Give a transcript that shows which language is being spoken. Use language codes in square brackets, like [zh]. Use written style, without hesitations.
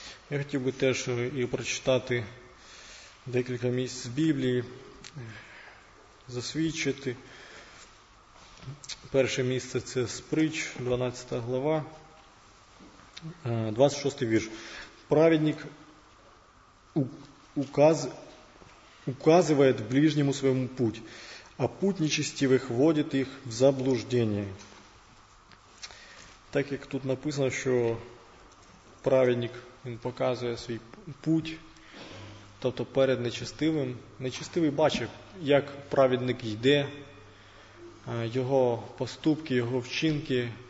[uk] Я хотів би теж і прочитати декілька місць з Біблії, засвідчити. Перше місце – це Сприч, 12 глава, 26 вірш. [ru] Праведник указывает ближнему своему путь, а путь нечестивых вводит их в заблуждение. [uk] Так як тут написано, що праведник, він показує свій путь, тобто перед нечестивим. Нечестивий бачить, як праведник йде, його поступки, його вчинки.